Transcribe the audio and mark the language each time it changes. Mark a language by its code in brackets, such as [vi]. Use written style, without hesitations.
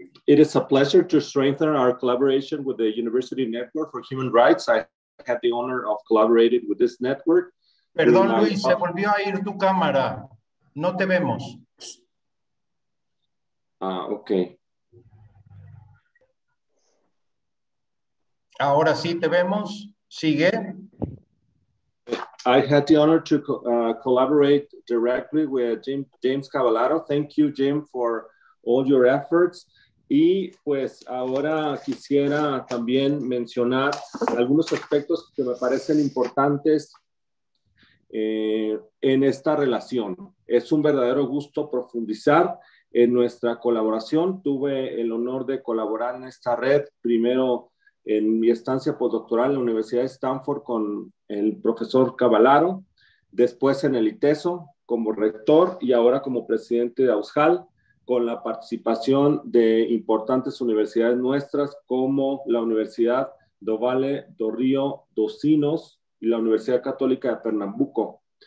[en] It is a pleasure to strengthen our collaboration with the University Network for Human Rights. I had the honor of collaborating with this network. [es] Perdón, Luis, se volvió a ir tu cámara. No te vemos. Okay. Ahora sí te vemos. Sigue. [en] I had the honor to collaborate directly with James Cavallaro. Thank you, Jim, for all your efforts. [es] Y pues ahora quisiera también mencionar algunos aspectos que me parecen importantes en esta relación. Es un verdadero gusto profundizar en nuestra colaboración. Tuve el honor de colaborar en esta red, primero en mi estancia postdoctoral en la Universidad de Stanford con el profesor Cavallaro, después en el ITESO como rector y ahora como presidente de AUSJAL, con la participación de importantes universidades nuestras como la Universidad do Vale do Rio dos Sinos y la Universidad Católica de Pernambuco.